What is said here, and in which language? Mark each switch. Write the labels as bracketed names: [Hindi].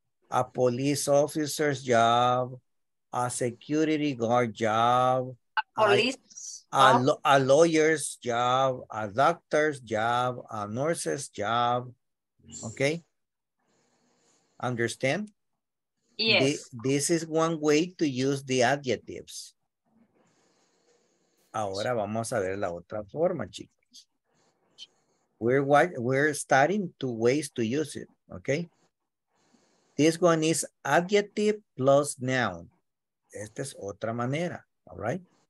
[English] A police officer's job, a security guard job, a lawyer's job, a doctor's job, a nurse's job. Okay? Understand? Yes. This is one way to use the adjectives. [Spanish] Ahora vamos a ver la otra forma, chicos. [English] We're starting two ways to use it, okay? This one is adjective plus noun. [Spanish] Esta es otra manera, [English] all right?